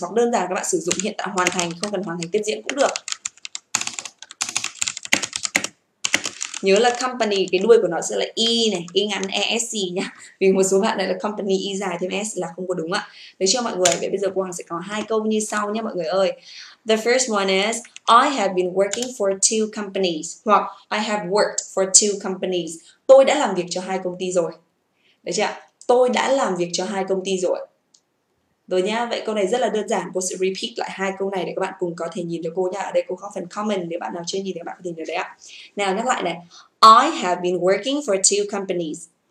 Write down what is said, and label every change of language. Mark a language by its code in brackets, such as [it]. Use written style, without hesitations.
[vi] Hoặc đơn giản các bạn sử dụng hiện tại hoàn thành, không cần hoàn thành tiếp diễn cũng được. Nhớ là company, cái đuôi của nó sẽ là E này, E ngắn ESC nhá. Vì một số bạn này là company E dài thêm S là không có đúng ạ. Đấy chưa mọi người, vậy bây giờ cô Hằng sẽ có hai câu như sau nhé mọi người ơi. [en] The first one is I have been working for two companies. Hoặc I have worked for two companies. [vi] Tôi đã làm việc cho hai công ty rồi. Đấy chưa ạ? Tôi đã làm việc cho hai công ty rồi. Rồi nhá, vậy câu này rất là đơn giản. Cô sẽ repeat lại hai câu này để các bạn cùng có thể nhìn được cô nhá. Ở đây cô có phần comment, nếu bạn nào chưa nhìn thì các bạn có thể nhìn được đấy ạ. Nào nhắc lại này. [en] I have been working for two companies.